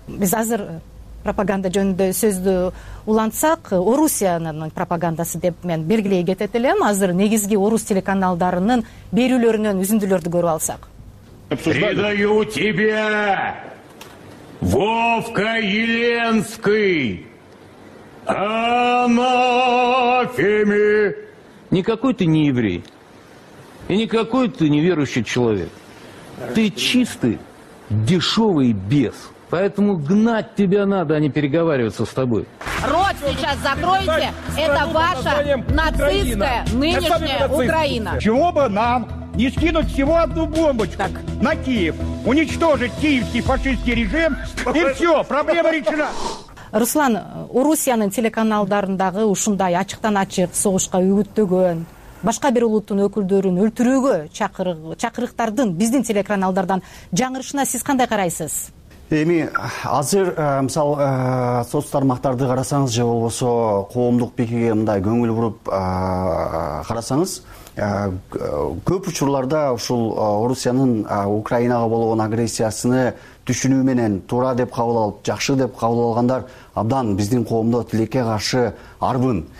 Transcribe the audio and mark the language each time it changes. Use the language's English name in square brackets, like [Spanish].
[Kyrgyz] Биз азыр пропаганда жөнүндө сөздү улантсак, Орусиянын пропагандасы деп мен белгилей кетет элем. Азыр негизги орус телеканалдарынын берүүлөрүнөн үзүндүлөрдү көрүп алсак. [Russian] Предаю тебя, Вовка Еленский, анафеме. Никакой ты не еврей. И никакой ты не верующий человек. Ты чистый, дешевый бес. Поэтому гнать тебя надо, а не переговариваться с тобой. Рот сейчас закройте. Это ваша нацистская нынешняя Украина. Чего бы нам не скинуть всего одну бомбочку так на Киев, уничтожить киевский фашистский режим, и все, проблема решена. [Kyrgyz] Руслан, у Русиянын телеканалдарындагы ушундай ачыктан-ачык согушка үгүттөгөн, башка бир улуттун өкүлдөрүн өлтүрүүгө чакырыктардын биздин телеканалдардан жаңырышына сиз кандай карайсыз? Эми азыр мисалы соц тармактарды карасаңыз же болбосо коомдук пикирге мындай көңүл буруп карасаңыз, көп учурларда ушул Орусиянын Украинага болгон агрессиясыны түшүнүү менен туура деп кабыл алып, жакшы деп кабыл алгандар абдан биздин коомдо тилекке каршы арбын.